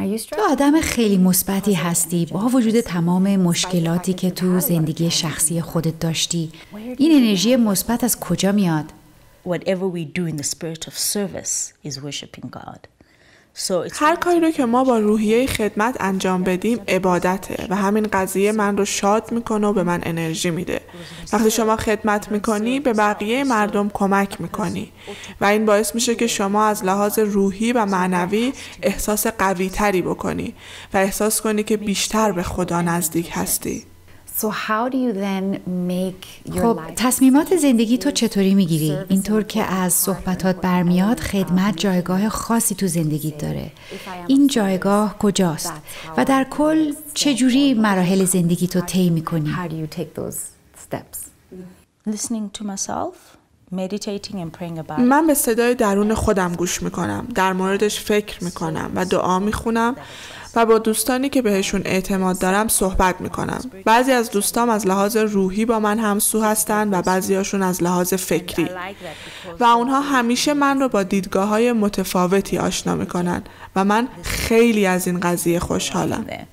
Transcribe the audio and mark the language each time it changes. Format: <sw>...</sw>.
<fa>تو آدم خیلی مثبتی هستی با وجود تمام مشکلاتی که تو زندگی شخصی خودت داشتی. این انرژی مثبت از کجا میاد؟</fa> <en>Whatever we do in the spirit of service is worshiping God.</en> <fa>So هر کاری رو که ما با روحیه خدمت انجام بدیم عبادته و همین قضیه من رو شاد میکنه و به من انرژی میده. وقتی شما خدمت میکنی به بقیه مردم کمک میکنی و این باعث میشه که شما از لحاظ روحی و معنوی احساس قوی تری بکنی و احساس کنی که بیشتر به خدا نزدیک هستی.</fa> <en>So how do you then make your</en> <fa>خب تصمیمات زندگی تو چطوری میگیری؟ اینطور که از صحبتات برمیاد خدمت جایگاه خاصی تو زندگیت داره. این جایگاه کجاست؟ و در کل چجوری مراحل زندگی تو طی میکنی؟</fa> <en>How do you take those steps? Listening to myself, meditating and praying about it.</en> <fa>من به صدای درون خودم گوش میکنم، در موردش فکر میکنم و دعا میخونم و با دوستانی که بهشون اعتماد دارم صحبت میکنم. بعضی از دوستام از لحاظ روحی با من همسو هستن و بعضی هاشون از لحاظ فکری. و اونها همیشه من رو با دیدگاه های متفاوتی آشنا میکنن و من خیلی از این قضیه خوشحالم.</fa>